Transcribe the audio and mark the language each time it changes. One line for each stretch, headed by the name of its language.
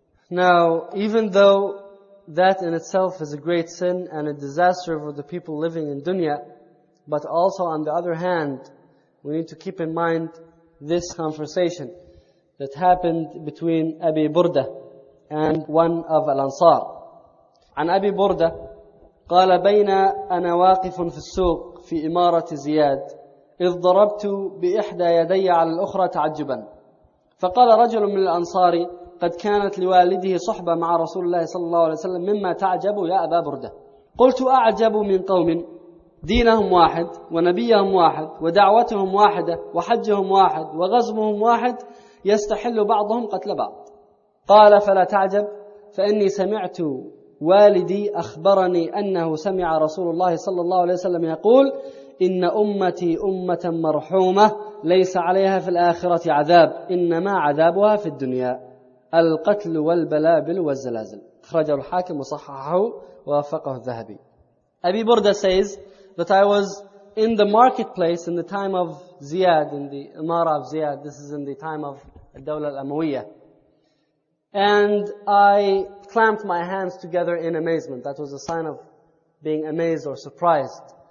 English: Now, even though that in itself is a great sin and a disaster for the people living in dunya, but also on the other hand, we need to keep in mind this conversation that happened between Abi Burda and one of Al-Ansar.
Arabic: عن أبي بردة قال بين أنا واقف في السوق في إمارة زياد إذ ضربت بإحدى يدي على الأخرى تعجبا فقال رجل من الأنصار قد كانت لوالده صحبة مع رسول الله صلى الله عليه وسلم مما تعجب يا أبا بردة قلت أعجب من قوم دينهم واحد ونبيهم واحد ودعوتهم واحدة وحجهم واحد وغزمهم واحد يستحل بعضهم قتل بعض قال فلا تعجب فإني سمعت والدي أخبرني أنه سمع رسول الله صلى الله عليه وسلم يقول إن أمتي أمة مرحومة ليس عليها في الآخرة عذاب إنما عذابها في الدنيا القتل والبلابل والزلازل أخرجه الحاكم وصححه ووافقه الذهبي.
English: أبي بردة says that I was in the marketplace in the time of Ziyad, in the Imara of Ziyad. This is in the time of الدولة الأموية. And I clamped my hands together in amazement. That was a sign of being amazed or surprised.